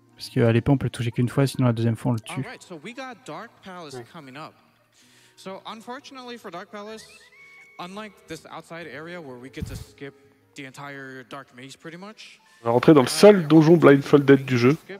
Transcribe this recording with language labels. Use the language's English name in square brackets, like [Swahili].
[French] Parce qu'à l'épée, on peut le toucher qu'une fois, sinon la deuxième fois, on le tue. Ouais. [English] So unfortunately for Dark Palace, unlike this outside area where we get to skip the entire Dark Maze pretty much. [French] On va rentrer dans le seul donjon blindfolded du jeu.